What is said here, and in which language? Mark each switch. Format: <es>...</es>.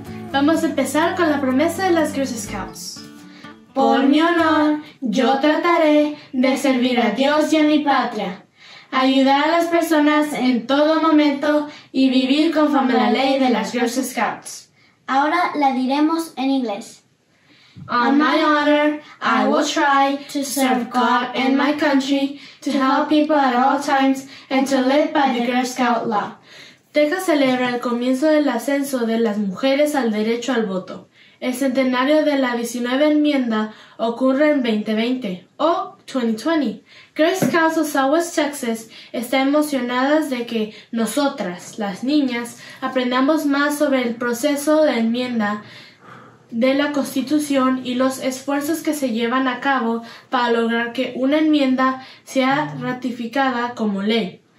<es>Vamos a empezar con la promesa de las Girl Scouts. Por mi honor, yo trataré de servir a Dios y a mi patria, ayudar a las personas en todo momento y vivir conforme a la ley de las Girl Scouts. Ahora la diremos en inglés.</es> <en>On my honor, I will try to serve God and my country, to help people at all times, and to live by the Girl Scout law.</en> <es>Texas celebra el comienzo del ascenso de las mujeres al derecho al voto. El centenario de la 19 enmienda ocurre en 2020, o 2020. Girl Scouts of Southwest Texas está emocionadas de que nosotras, las niñas, aprendamos más sobre el proceso de enmienda de la Constitución y los esfuerzos que se llevan a cabo para lograr que una enmienda sea ratificada como ley.</es>